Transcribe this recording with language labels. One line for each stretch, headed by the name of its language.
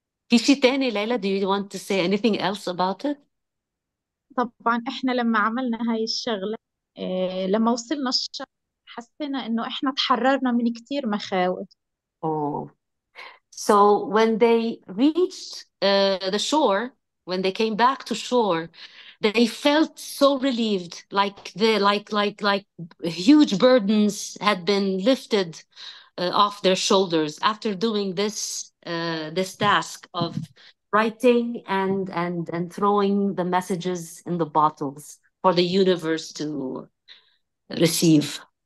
English: Kishitani, Leila, do you want to say anything else about it?
Arabic: طبعا احنا لما عملنا هاي الشغلة، لما وصلنا الشط حسينا انه احنا تحررنا من كتير مخاوف.
English: So when they reached the shore, when they came back to shore, they felt so relieved, like huge burdens had been lifted off their shoulders after doing this task of writing and throwing the messages in the bottles for the universe to receive.